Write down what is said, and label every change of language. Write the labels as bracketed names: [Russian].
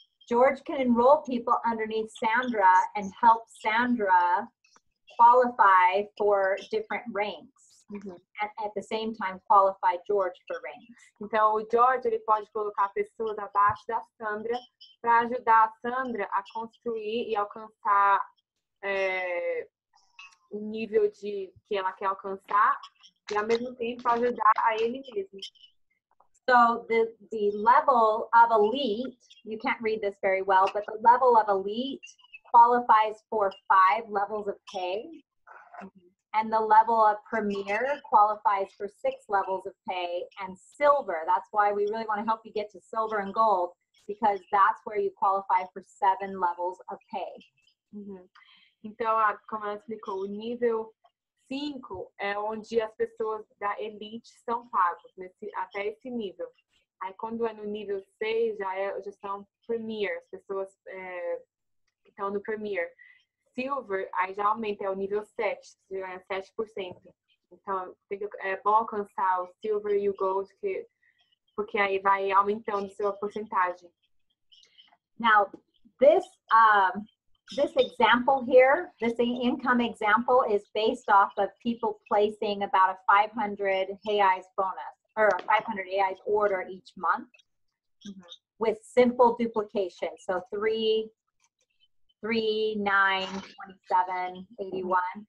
[English] George can enroll people underneath Sandra and help Sandra qualify for different ranks. Mm-hmm. At the same time, qualify George for ranks. [Portuguese] Então, o George, ele pode colocar pessoas abaixo da Sandra para ajudar a Sandra a construir e alcançar o nível de que ela quer alcançar e, ao mesmo tempo, ajudar a ele mesmo. [English] So, the level of elite, you can't read this very well, but the level of elite qualifies for 5 levels of pay. Mm-hmm. And the level of premier qualifies for 6 levels of pay and silver. That's why we really want to help you get to silver and gold, because that's where you qualify for 7 levels of pay. Uhum. [Portuguese] Então, como ela explicou, o nível 5 é onde as pessoas da elite são pagos, nesse, até esse nível. Aí, quando é no nível 6, já são premier, as pessoas que estão no premier. Silver, aí já aumenta, é o nível 7, você ganha 7%. Então, é bom alcançar o silver e o gold, porque aí vai aumentando sua porcentagem. [English] Now, this... This example here, this income example, is based off of people placing about a 500 reais bonus or a 500 reais order each month, mm-hmm. with simple duplication. So 3, 9, 27, 81.